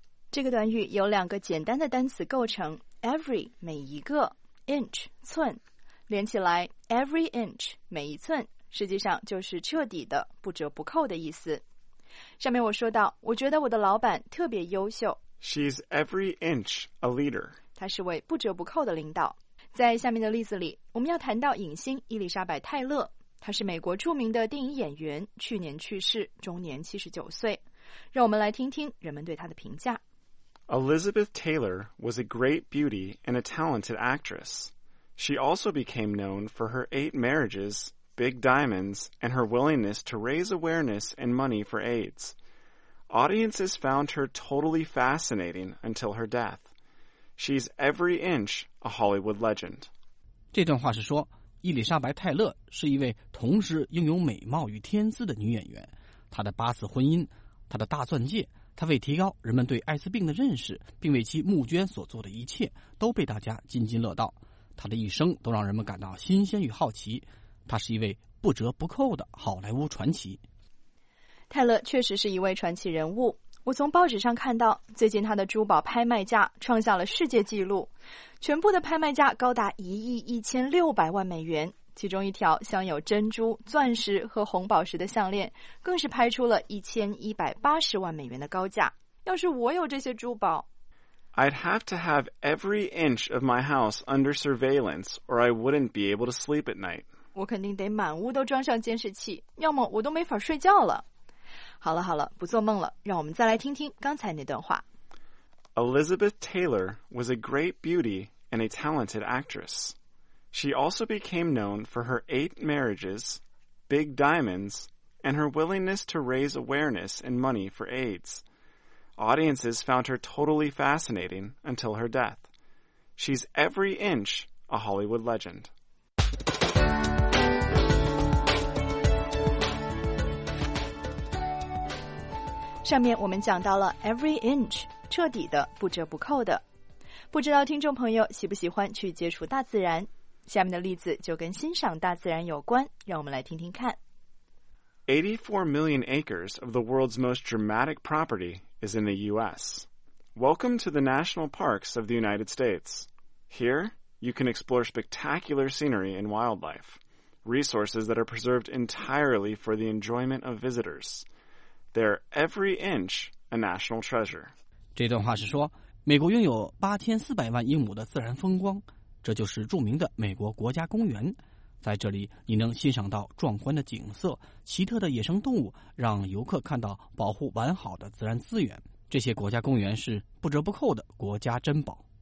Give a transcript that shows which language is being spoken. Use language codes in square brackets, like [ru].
[zh] 这个短语由两个简单的单词构成 every, 每一个 inch, 寸，连起来 every inch, 每一寸，实际上就是彻底的不折不扣的意思。上面我说到，我觉得我的老板特别优秀。 [en] She's every inch a leader. [zh] 她是位不折不扣的领导。在下面的例子里，我们要谈到影星伊丽莎白·泰勒，她是美国著名的电影演员，去年去世，终年79岁。让我们来听听人们对她的评价。 [en] Elizabeth Taylor was a great beauty and a talented actress. She also became known for her 8 marriages, big diamonds, and her willingness to raise awareness and money for AIDS. Audiences found her totally fascinating until her death. She's every inch a Hollywood legend. [zh] 这段话是说，伊丽莎白·泰勒是一位同时拥有美貌与天资的女演员。她的8次婚姻，她的大钻戒，她为提高人们对艾滋病的认识，并为其募捐所做的一切，都被大家津津乐道。她的一生都让人们感到新鲜与好奇。她是一位不折不扣的好莱坞传奇。泰勒确实是一位传奇人物。我从报纸上看到，最近他的珠宝拍卖价创下了世界纪录，全部的拍卖价高达1亿1600万美元。其中一条镶有珍珠、钻石和红宝石的项链，更是拍出了1180万美元的高价。要是我有这些珠宝 [en] ，I'd have to have every inch of my house under surveillance, or I wouldn't be able to sleep at night. [zh] 我肯定得满屋都装上监视器，要么我都没法睡觉了。好了好了，不做梦了，让我们再来听听刚才那段话。 [en] Elizabeth Taylor was a great beauty and a talented actress. She also became known for her 8 marriages, big diamonds, and her willingness to raise awareness and money for AIDS. Audiences found her totally fascinating until her death. She's every inch a Hollywood legend. [zh] 上面我们讲到了 every inch, 彻底的，不折不扣的。不知道听众朋友喜不喜欢去接触大自然？下面的例子就跟欣赏大自然有关，让我们来听听看。 [en] 84 million acres of the world's most dramatic property is in the U.S. Welcome to the national parks of the United States. Here, you can explore spectacular scenery and wildlife, resources that are preserved entirely for the enjoyment of visitors. They're every inch a national treasure. [zh] 这段话是说，美国拥有8400万英亩的自然风光，这就是著名的美国国家公园，在这里你能欣赏到壮观的景色，奇特的野生动物，让游客看到保护完好的自然资源。这些国家公园是不折不扣的国家珍宝。